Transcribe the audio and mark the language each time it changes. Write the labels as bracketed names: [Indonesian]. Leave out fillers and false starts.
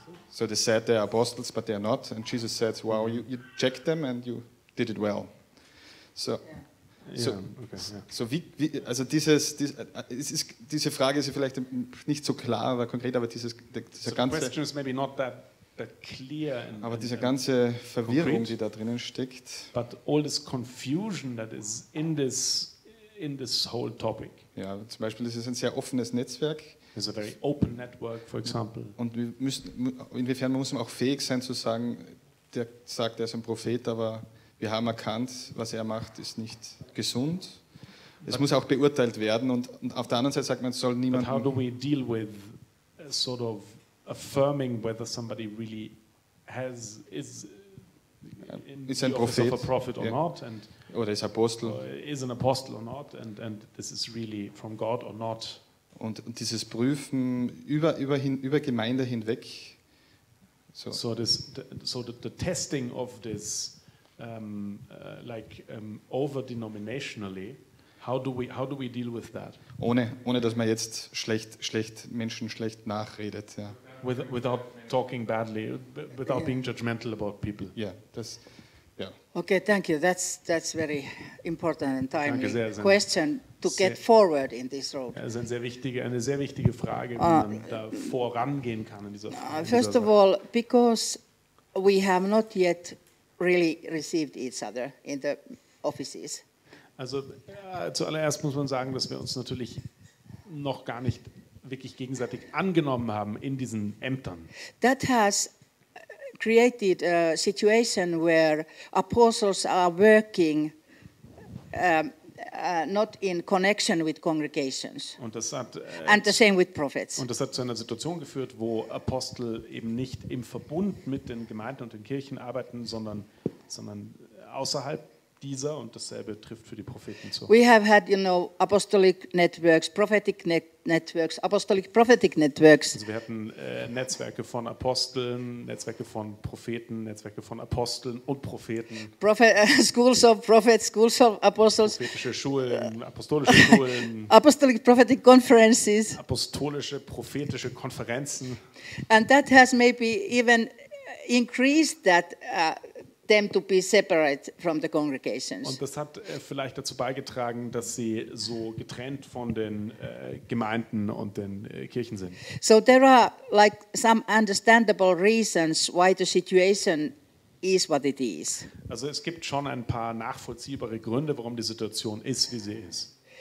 [English] So they said they're apostles, but they're not. And Jesus says, wow, you checked them and you did it well. [German] Diese Frage ist vielleicht nicht so klar oder konkret, aber dieser ganze Verwirrung, die da drinnen steckt. [English] But all this confusion that is in this whole topic. [German] Ja, zum Beispiel, das ist ein sehr offenes Netzwerk. [English] It's a very open network, for example. [German] Und inwiefern muss man auch fähig sein zu sagen, der sagt, er ist ein Prophet, aber wir haben erkannt, was er macht, ist nicht gesund. Es muss auch beurteilt werden. Und auf der anderen Seite sagt man, es soll niemand. [English] But how do we deal with sort of affirming whether somebody really is [German] ein Prophet, [English] a prophet or not, and [German] oder ist Apostel? [English] Is an apostle or not, and this is really from God or not? [German] Und dieses Prüfen über Gemeinde hinweg. [English] So the testing of this over denominationally. How do we deal with that? [German] Ohne dass man jetzt schlecht Menschen schlecht nachredet. Ja. [English] Without talking badly, without being judgmental about people. Yeah, that's. Yeah. Okay, thank you. That's very important and timely question to get forward in this role. [German] Das ist eine sehr wichtige Frage, wie man da vorangehen kann in dieser Frage. [English] First of all, because we have not yet really received each other in the offices. [German] Also zuallererst muss man sagen, dass wir uns natürlich noch gar nicht wirklich gegenseitig angenommen haben in diesen Ämtern. [English] That has created a situation where apostles are working not in connection with congregations. [German] Und das hat, [English] and the same with prophets. [German] Und das hat zu einer Situation geführt, wo Apostel eben nicht im Verbund mit den Gemeinden und den Kirchen arbeiten, sondern außerhalb dieser, und dasselbe trifft für die Propheten zu. [English] We have had, you know, apostolic networks, prophetic networks, apostolic prophetic networks. [German] Also wir hatten Netzwerke von Aposteln, Netzwerke von Propheten, Netzwerke von Aposteln und Propheten. [English] Schools of prophets, schools of apostles. [German] Prophetische Schulen, apostolische Schulen. [English] Apostolic prophetic conferences. [German] Apostolische prophetische Konferenzen. [English] And that has maybe even increased that them to be separate from the congregations. [German] Und das hat vielleicht dazu beigetragen, dass sie so getrennt von den Gemeinden und den Kirchen sind. [English] So there are like some understandable reasons why the situation is what it is. [German] Also es gibt schon ein paar nachvollziehbare Gründe, warum die Situation ist, wie sie ist.